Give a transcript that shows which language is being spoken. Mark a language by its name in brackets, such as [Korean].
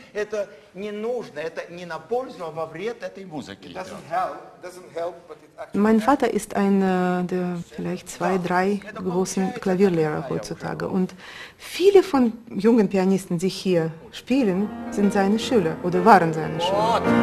[Russian] Это не нужно, это не на пользу, а во вред этой музыке. [English] It doesn't help, doesn't help, but it actually [German] Mein Vater ist ein der vielleicht zwei, drei großen Klavierlehrer heutzutage und viele von jungen Pianisten, die hier spielen, sind seine Schüler oder waren seine Schüler.